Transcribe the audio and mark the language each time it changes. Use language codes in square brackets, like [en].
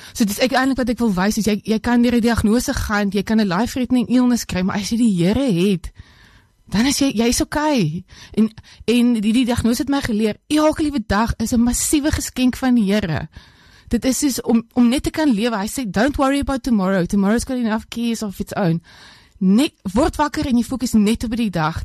[af] So dis ek eintlik wat ek wil wys, is jy kan deur die diagnose gaan, jy kan 'n life-threatening illness kry, maar as jy die Here het, dan is jy is okay. En die diagnose het my geleer, elke liewe dag is 'n massiewe geskenk van die Here. Dit is soos om net te kan lewe. Hy sê, [en] don't worry about tomorrow. Tomorrow's got enough keys of its own. [af] Net, word wakker en jy fokus net op die dag.